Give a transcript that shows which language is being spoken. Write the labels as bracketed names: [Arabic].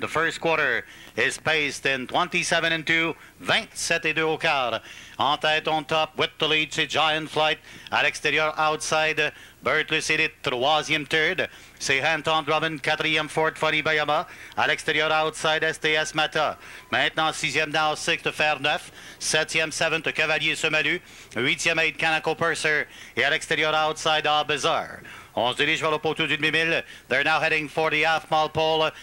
[English] The first quarter is paced in 27-2, 27-2 [French] au quart. En tête, [English] on top, with the lead, [French] c'est [English] Giant Flight. [French] À l'extérieur, [English] outside, [French] Bert Luce Elite, troisième, [English] third. [French] C'est Anton Drummond, quatrième, [English] fourth, [French] Funny Bayama. À l'extérieur, [English] outside, [French] STS Mata. Maintenant, sixième, [English] now, sixth, [French] Ferneuf. Septième, [English] seventh, [French] Cavalier SEMALOU. Huitième, [English] eight, [French] Canaco Purser. Et à l'extérieur, [English] outside, [French] Al Bizarre. On se dirige vers le poteau du demi-mille. [English] They're now heading for the half-mile pole.